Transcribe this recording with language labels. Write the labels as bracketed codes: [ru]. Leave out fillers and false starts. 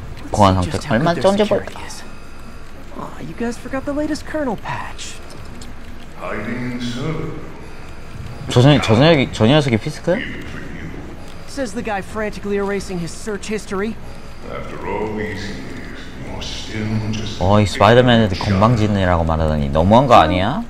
[ko] 보안 상태 얼마 전에 볼까? [en] Aw, you guys forgot the latest kernel patch. Hiding server. [ko] 저 녀석이 피스크? [en] Says the guy frantically erasing his search history. After all these years, you're still just. [ko] 어, 이 스파이더맨한테 건방지네라고 말하다니 너무한 거 아니야?